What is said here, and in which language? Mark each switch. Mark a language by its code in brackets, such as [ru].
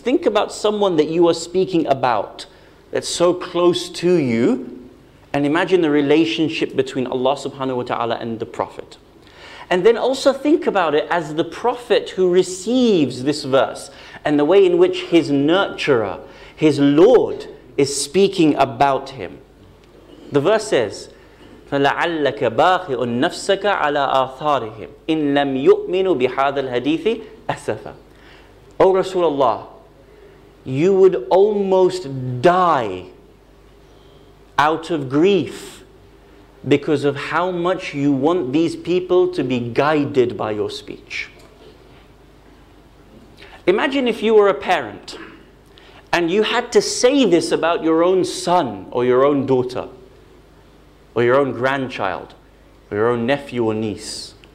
[en] Think about someone that you are speaking about that's so close to you, and imagine the relationship between Allah subhanahu wa ta'ala and the Prophet. And then also think about it as the Prophet who receives this verse and the way in which his nurturer, his Lord, is speaking about him. The verse says, [ar] فَلَعَلَّكَ بَاخِعٌ نَفْسَكَ عَلَىٰ آثَارِهِمْ إِنْ لَمْ يُؤْمِنُوا بِهَذَا الْحَدِيثِ أَسَفًا. [en] O Rasulullah, you would almost die out of grief because of how much you want these people to be guided by your speech. Imagine if you were a parent and you had to say this about your own son or your own daughter, or your own grandchild, or your own nephew or niece.